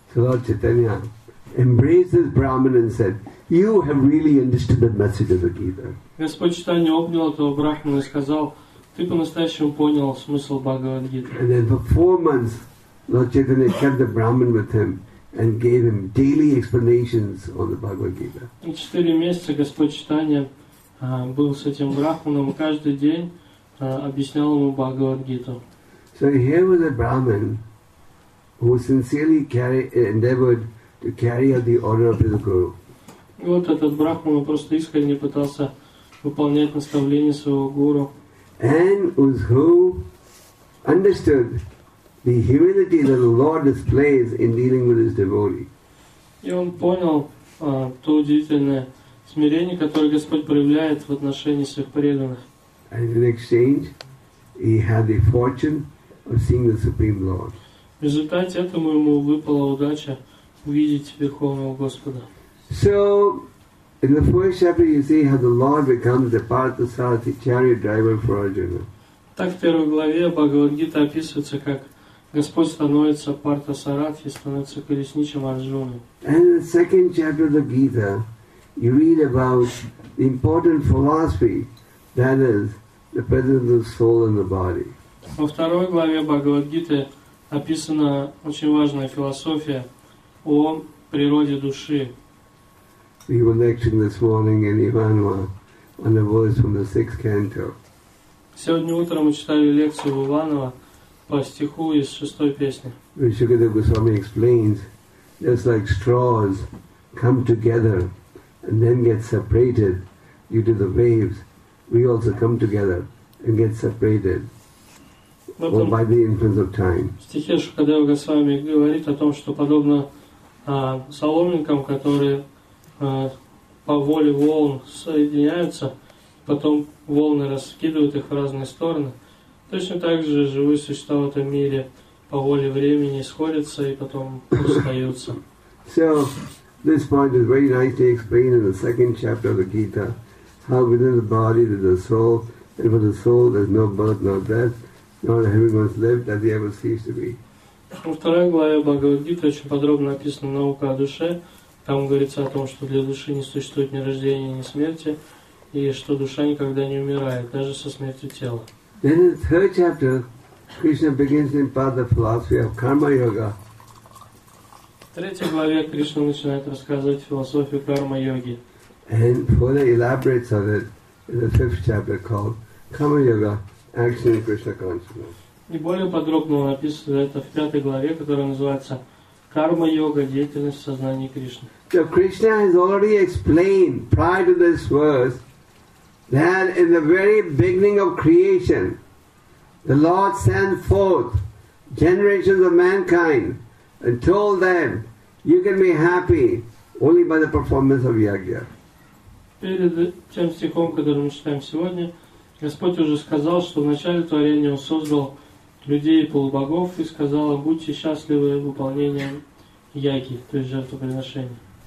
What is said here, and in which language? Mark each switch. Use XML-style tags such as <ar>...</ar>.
<en>Lord Chaitanya embraces Brahman and said, "You have really understood the message of the Gita."</en> <ru>Господь Читанья обнял этого брахмана и сказал, "Ты по-настоящему понял смысл Бхагавад-гиты."</ru> <en>And then for 4 months, Lord Chaitanya kept the Brahman with him and gave him daily explanations on the Bhagavad-gita.</en> <ru>4 месяца Господь Читанья был с этим брахманом и каждый день объяснял ему Бхагавад-гиту.</ru> <en>So here was a Brahman who sincerely endeavored to carry out the order of his guru.</en> <ru>Вот этот брахман просто искренне пытался выполнять наставления своего гуру.</ru> <en>And who understood the humility that the Lord displays in dealing with his devotee.</en> <ru>И он понял то удивительное смирение, которое Господь проявляет в отношении своих преданных.</ru> <en>And in exchange, he had the fortune of seeing the Supreme Lord.</en> <ru>В результате этому ему выпала удача увидеть Верховного Господа.</ru> <en>So, in the first chapter you see how the Lord becomes the Parthasarathi chariot driver for Arjuna.</en> <ru>Так в первой главе Бхагавад-гита описывается, как Господь становится Парта-сарати, становится колесничем Арджуны.</ru> <en>And in the second chapter of the Gita, you read about the important philosophy, that is, the presence of soul in the body.</en> <ru>Во второй главе Бхагавад-гиты описана очень важная философия о природе души.</ru> <en>We were lecturing this morning in Ivanova on a verse from the 6th canto.</en> <ru>Сегодня утром мы читали лекцию в Иваново по стиху из 6-й песни.</ru> <en>Vishukadeva Goswami explains, just like straws come together and then get separated due to the waves, we also come together and get separated. Or by the influence of time.</en> <ru>В стихе Шукадева Госвами говорит о том, что подобно соломинкам, которые по воле волн соединяются, потом волны раскидывают их в разные стороны, точно так же живые существа в этом мире по воле времени сходятся и потом расстаются.</ru> <en>So, this point is very nicely explained in the second chapter of the Gita, how within the body there's a soul, and for the soul there's no birth, no death, not having once lived, that they ever cease to be.</en> <ru>Во второй главе Бхагавад-гиты очень подробно описана наука о душе. Там говорится о том, что для души не существует ни рождения, ни смерти, и что душа никогда не умирает, даже со смертью тела.</ru> <en>Then in the third chapter, Krishna begins to impart the philosophy of karma yoga.</en> <ru>В третьей главе Кришна начинает рассказывать философию карма йоги.</ru> <en>And further elaborates on it in the fifth chapter called karma yoga, action in Krishna consciousness.</en> <ru>И более подробно он описывает это в пятой главе, которая называется «Карма йога. Деятельность в сознании Кришны».</ru> <en>So Krishna has already explained prior to this verse that in the very beginning of creation, the Lord sent forth generations of mankind and told them, "You can be happy only by the performance of yajna."</en> <ru>Перед тем стихом, который мы читаем сегодня, Господь уже сказал, что в начале творения Он создал людей и полубогов и сказала, будьте счастливы выполнением яги, то есть жертвоприношения.</ru>